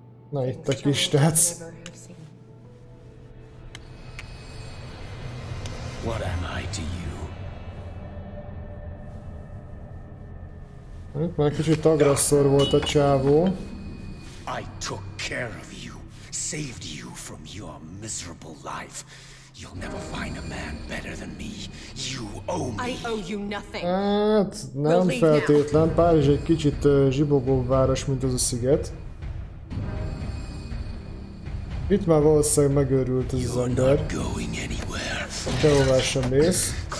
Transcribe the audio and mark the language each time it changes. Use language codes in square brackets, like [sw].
[hu] Na itt a kis tetsz. [en] What am I to you? [hu] Itt már kicsit agresszor volt a csávó. [en] I took care of you, saved you from your miserable life. You'll never find a man better than me. You owe me. I owe you nothing. [hu] Hát, nem feltétlen. Párizs egy kicsit zsibogóbb város, mint az a sziget. Itt már valószínűleg megőrült ez az ember. Dehová sem mész.